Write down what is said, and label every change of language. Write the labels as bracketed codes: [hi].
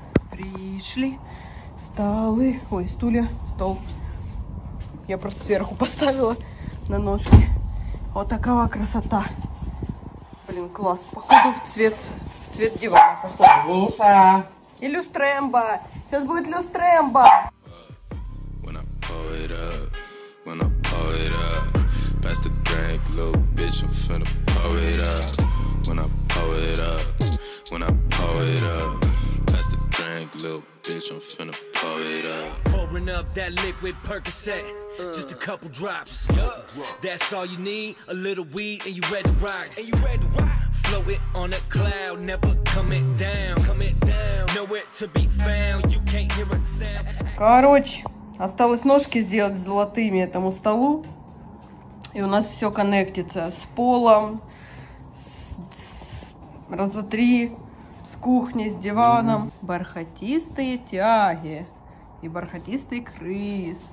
[ru] Пришли столы, ой, стулья, стол. Я просто сверху поставила на ножки. Вот такова красота. Блин, класс. Походу в цвет дивана. Походу. Луша. И люстрембо. Сейчас будет люстрембо. [en] When I pull it up, when I pull it up, pass the drink, little bitch, I'm finna pull it up. when I pull it up, when I pull it up. Pass the drink, little bitch, I'm finna pull it up. Pouring up that liquid Percocet, just a couple drops. Yeah. That's all you need, a little weed, and you ready to rock. And you ready to rock. Flow it on a cloud, never coming down, coming down. Nowhere to be found, you can't hear a sound. [ru] Короче, осталось ножки сделать золотыми этому столу. И у нас все коннектится с полом, раза три, с кухней, с диваном. Бархатистые тяги и бархатистый крыс.